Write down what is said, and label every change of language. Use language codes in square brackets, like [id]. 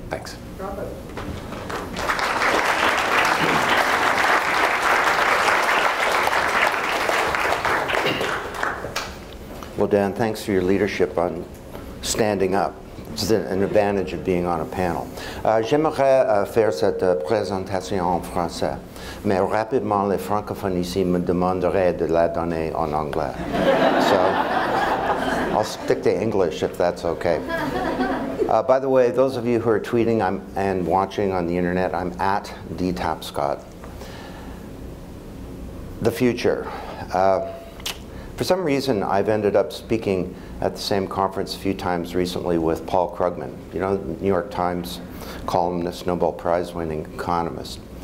[en] Thanks. Well, Dan, thanks for your leadership on standing up. It's an advantage of being on a panel. [fr] J'aimerais faire cette présentation en français, mais rapidement les francophones ici me demanderaient de la donner en anglais. [en] So I'll stick to English if that's okay. By the way, those of you who are tweeting and watching on the internet, I'm at D. Tapscott. The future. For some reason, I've ended up speaking at the same conference a few times recently with Paul Krugman, New York Times columnist, Nobel Prize winning economist.